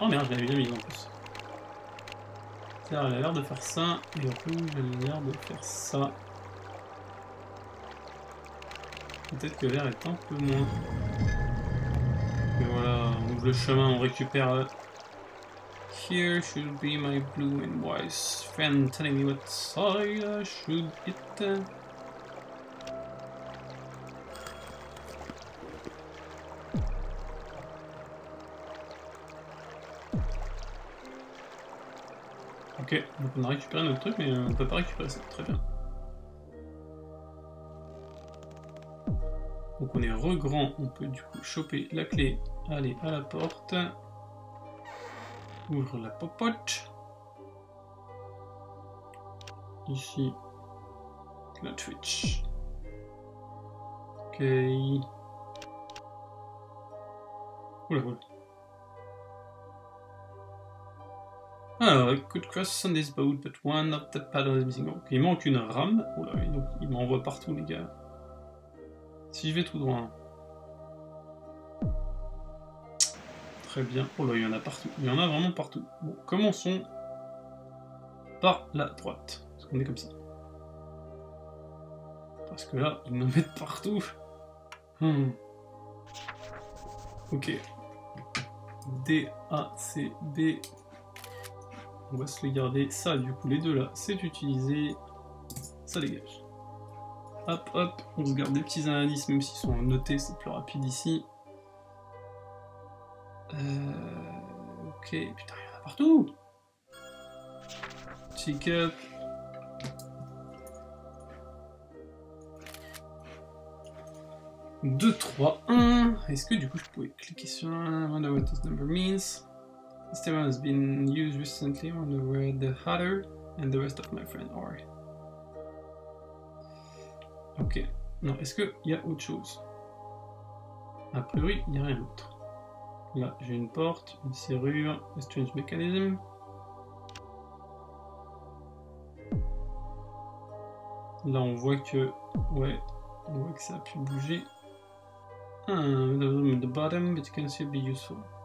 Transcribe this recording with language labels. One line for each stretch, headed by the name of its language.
French: Oh merde, je l'avais jamais mis en plus. Elle a l'air de faire ça, et rouge, elle a l'air de faire ça. Peut-être que l'air est un peu moins. Et voilà, on ouvre le chemin, on récupère.
English: Here should be my blue and white friend telling me what side I should hit.
French: Ok, donc on a récupéré notre truc, mais on peut pas récupérer ça. Très bien. Donc on est regrand, on peut du coup choper la clé, aller à la porte, ouvre la popote. Ici, la Twitch. Ok. Oula, voilà.
English: Alors, I could cross on this boat, but one of the paddles is missing.
French: Ok, il manque une rame. Oula, et donc il m'envoie partout, les gars. Si je vais tout droit. Très bien. Oh là, il y en a partout. Il y en a vraiment partout. Bon, commençons par la droite. Parce qu'on est comme ça. Parce que là, ils nous mettent partout. Ok. D, A, C, B. On va se les garder. Ça, du coup, les deux là, c'est utilisé. Ça dégage. Hop hop, on se garde des petits indices, même s'ils sont notés, c'est plus rapide ici. Ok, putain, il y en a partout. partout. Petit cup. Deux, trois, un. Est-ce que du coup je pouvais cliquer sur un?
English: I wonder what this number means. This term has been used recently. I wonder where the Hatter and the rest of my friends are. Ok.
French: Non, est-ce qu'il y a autre chose? A priori, il n'y a rien d'autre. Là, j'ai une porte, une serrure, un
English: strange mechanism.
French: Là, on voit que... Ouais, on voit que ça a pu bouger.
English: Ah, the room at the bottom, but it can still be useful.